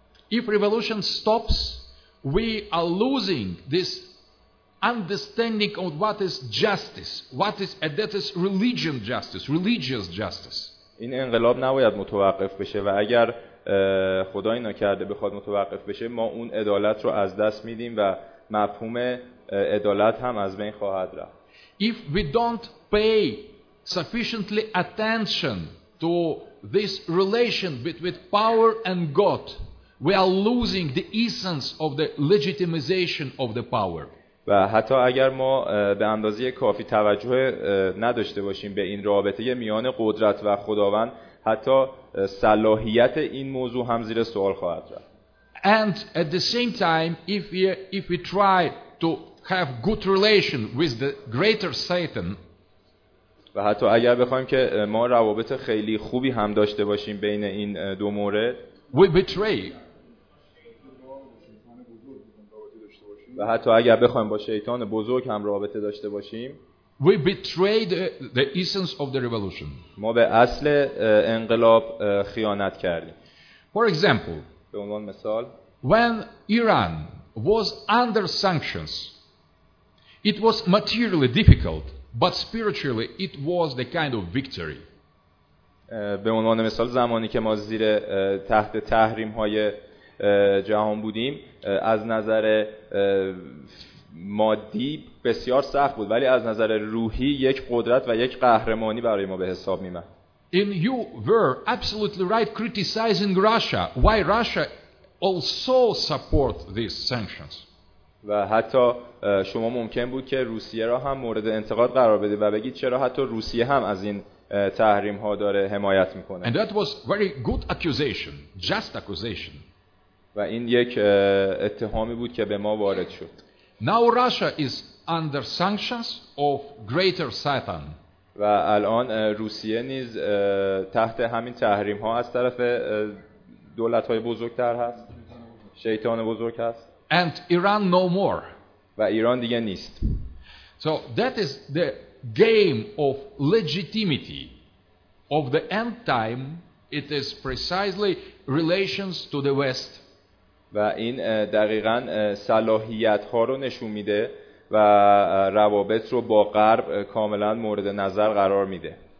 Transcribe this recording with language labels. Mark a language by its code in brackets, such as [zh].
[en] If revolution stops, we are losing this understanding of what is justice, what is, and that is religion justice, religious justice. [fa] این انقلاب نباید متوقف بشه و اگر خدایی نکرده بخواد متوقف بشه ما اون عدالت رو از دست میدیم و مفهوم عدالت هم از بین خواهد رفت. [en] If we don't pay sufficiently attention to this relation between power and God, we are losing the essence of the legitimization of the power. [fa] و حتی اگر ما به اندازه کافی توجه نداشته باشیم به این رابطه میان قدرت و خداوند، حتی صلاحیت این موضوع هم زیر سوال خواهد رفت. [en] And at the same time, if we try to have good relation with the greater Satan, [fa] و حتی اگر بخوایم که ما روابط خیلی خوبی هم داشته باشیم بین این دو مورد، [en] we betray. [fa] و حتی اگر بخوایم با شیطان بزرگ هم رابطه داشته باشیم، [en] we betray the essence of the revolution. [fa] ما به اصل انقلاب خیانت کردیم. [en] For example, [fa] به عنوان مثال، [en] when Iran was under sanctions, it was materially difficult, but spiritually it was the kind of victory. [fa] به عنوان مثال زمانی که ما زیر تحت تحریم های جهان بودیم از نظر مادی بسیار سخت بود، ولی از نظر روحی یک قدرت و یک قهرمانی برای ما به حساب می آمد. [en] In you were absolutely right criticizing Russia. Why Russia also support these sanctions? [fa] و حتی شما ممکن بود که روسیه را هم مورد انتقاد قرار بدید و بگید چرا حتی روسیه هم از این تحریم ها داره حمایت میکنه. [en] And that was very good accusation, just accusation. [fa] و این یک اتهامی بود که به ما وارد شد. [en] Now Russia is under sanctions of greater Satan. [fa] و الان روسیه نیز تحت همین تحریم ها از طرف دولت های بزرگتر هست. شیطان بزرگ هست. [en] And Iran no more. [fa] و ایران دیگه نیست. [en] So that is the game of legitimity of the end time. It is precisely relations to the West. [fa] و این دقیقاً صلاحیت ها رو نشون میده و روابط رو با غرب کاملاً مورد نظر قرار میده.